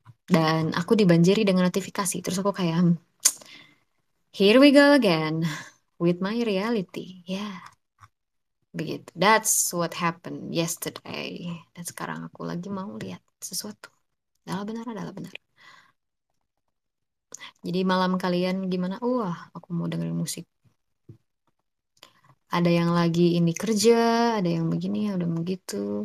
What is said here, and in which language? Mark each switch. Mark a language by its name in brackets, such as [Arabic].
[Indonesian] Dan aku dibanjiri dengan notifikasi. Terus aku kayak, [English] here we go again. With my reality. Yeah. [Indonesian] Begitu. [English] That's what happened yesterday. [Indonesian] Dan sekarang aku lagi mau lihat sesuatu. Adalah benar, adalah benar. Jadi malam kalian gimana? Wah, aku mau dengerin musik. ada yang lagi ini kerja, ada yang begini, ada yang begitu.